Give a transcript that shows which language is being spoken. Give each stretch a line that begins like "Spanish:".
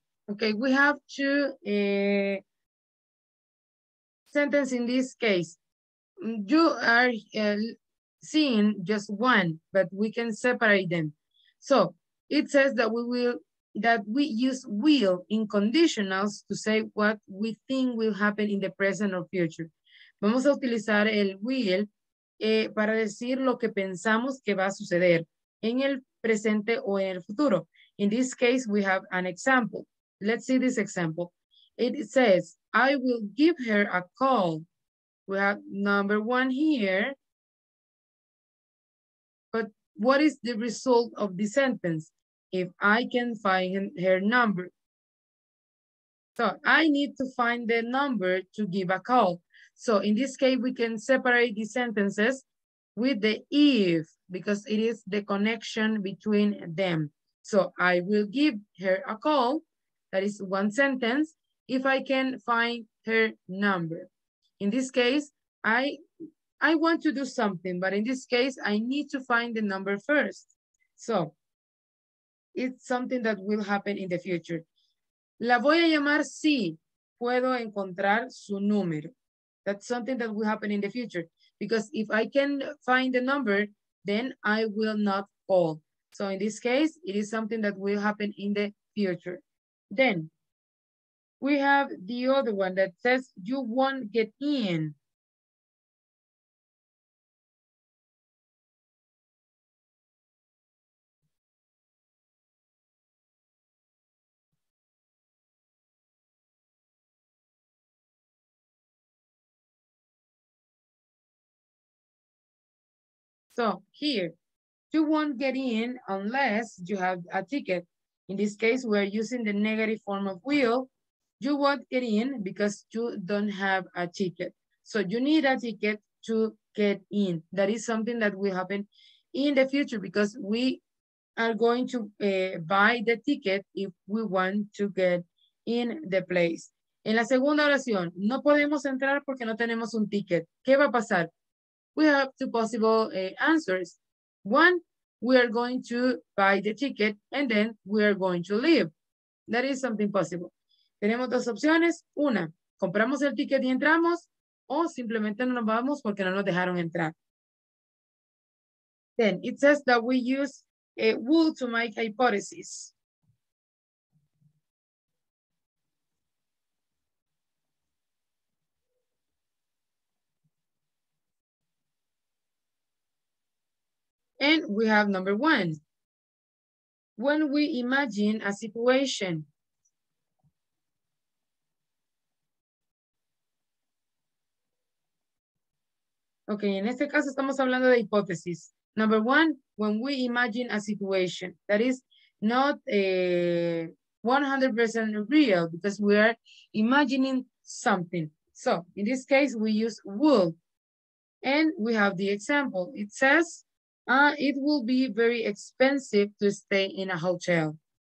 English: Okay, we have two sentence in this case. You are seeing just one, but we can separate them. So it says that we will that we use will in conditionals to say what we think will happen in the present or future.
Spanish: Vamos a utilizar el will para decir lo que pensamos que va a suceder en el presente o en el futuro.
English: In this case, we have an example. Let's see this example. It says, I will give her a call. We have number one here. But what is the result of the sentence? If I can find her number. So I need to find the number to give a call. So in this case, we can separate the sentences with the if, because it is the connection between them. So I will give her a call. That is one sentence. If I can find her number. In this case, I want to do something, but in this case, I need to find the number first. So it's something that will happen in the future.
Spanish: La voy a llamar si puedo encontrar su número.
English: That's something that will happen in the future. Because if I can find the number, then I will not call. So in this case, it is something that will happen in the future. Then we have the other one that says, you won't get in. So here, you won't get in unless you have a ticket. In this case, we're using the negative form of will. You won't get in because you don't have a ticket. So you need a ticket to get in. That is something that will happen in the future because we are going to buy the ticket if we want to get in the place.
Spanish: En la segunda oración, no podemos entrar porque no tenemos un ticket. ¿Qué va a pasar?
English: We have two possible answers. One, we are going to buy the ticket and then we are going to leave. That is something possible.
Spanish: Tenemos dos opciones. Una, compramos el ticket y entramos o simplemente no nos vamos porque no nos dejaron entrar.
English: Then it says that we use a will to make hypotheses. And we have number one, when we imagine a situation.
Spanish: Okay, en este caso estamos hablando de hipótesis.
English: Number one, when we imagine a situation that is not 100% real because we are imagining something. So in this case, we use will. And we have the example. It says, it will be very expensive to stay in a hotel.